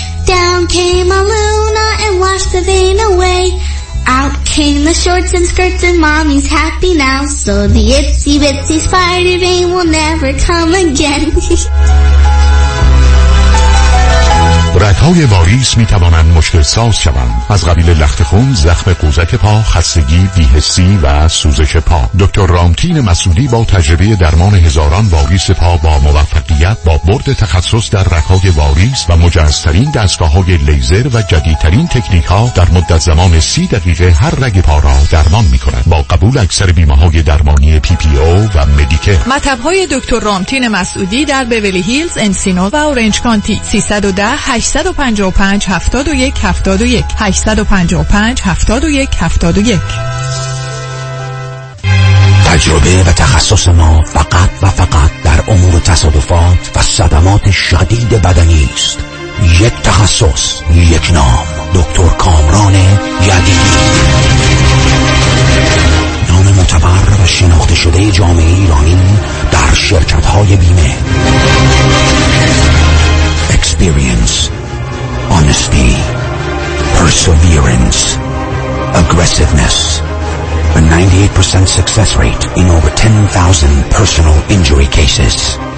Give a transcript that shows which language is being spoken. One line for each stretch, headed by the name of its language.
English: Down came a Luna and washed the vein away. Out came the shorts and skirts and mommy's happy now. So the itsy bitsy spider ven will never come again.
Persian: رگ‌های واریس می‌توانند مشکل‌ساز شوند. از قبیل لخت خون، زخم قوزک پا، خستگی، بی‌حسی و سوزش پا. دکتر رامتین مسعودی با تجربه درمان هزاران واریس پا با موفقیت، با برد تخصص در رگ‌های واریس و مجهزترین دستگاه‌های لیزر و جدیدترین تکنیک‌ها در مدت زمان 30 دقیقه هر رگ پا را درمان می‌کند، با قبول اکثر بیمه‌های درمانی پی پی او و مدیکر. مطب‌های دکتر رامتین مسعودی در بیولی هیلز، انسینو و اورنج کانتی. 310-855-71-71 855-71-71. تجربه و تخصص ما فقط و فقط در امور تصادفات و صدمات شدید بدنی است. یک تخصص، یک نام، دکتر کامران یدیدی. معتبر و شناخته شده جامعه ایرانی در شرکت های بیمه.
English: Experience, honesty, perseverance, aggressiveness. A 98% success rate in over 10,000 personal injury cases.